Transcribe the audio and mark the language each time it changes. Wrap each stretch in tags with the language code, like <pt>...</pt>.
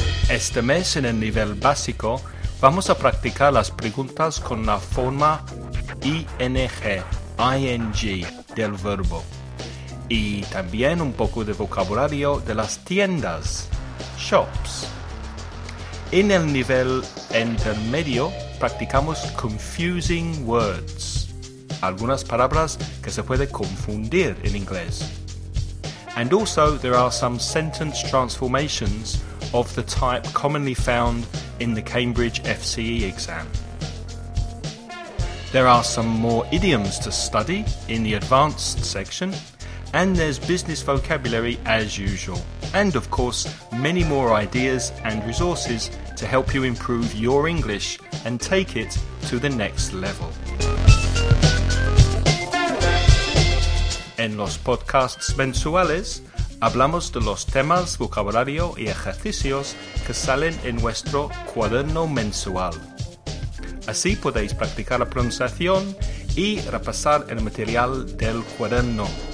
<es>Este mes en el nivel básico vamos a practicar las preguntas con la forma ing del verbo y también un poco de vocabulario de las tiendas, shops. En el nivel intermedio practicamos</es> <en>confusing words,</en> <es>algunas palabras que se puede confundir en inglés.</es> <en>And also there are some sentence transformations of the type commonly found in the Cambridge FCE exam. There are some more idioms to study in the advanced section, and there's business vocabulary as usual. And of course, many more ideas and resources to help you improve your English and take it to the next level.</en> <es>En los podcasts mensuales, hablamos de los temas, vocabulario y ejercicios que salen en nuestro cuaderno mensual. Así podéis practicar la pronunciación y repasar el material del cuaderno.</es>